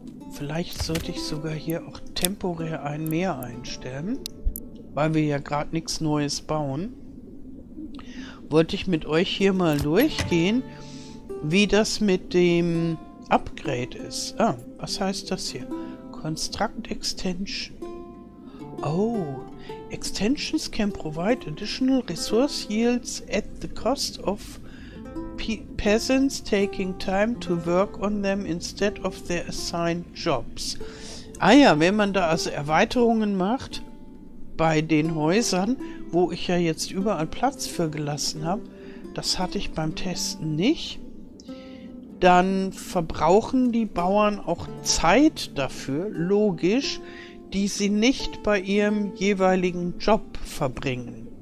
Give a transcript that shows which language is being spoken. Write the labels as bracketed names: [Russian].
[German] Vielleicht sollte ich sogar hier auch temporär ein mehr einstellen, weil wir ja gerade nichts Neues bauen. Wollte ich mit euch hier mal durchgehen, wie das mit dem Upgrade ist. Ah, was heißt das hier? [English] Construct Extension. Oh, Extensions can provide additional resource yields at the cost of peasants taking time to work on them instead of their assigned jobs. [German] Ah ja, wenn man da also Erweiterungen macht bei den Häusern, wo ich ja jetzt überall Platz für gelassen habe, das hatte ich beim Testen nicht, dann verbrauchen die Bauern auch Zeit dafür, logisch, die sie nicht bei ihrem jeweiligen Job verbringen.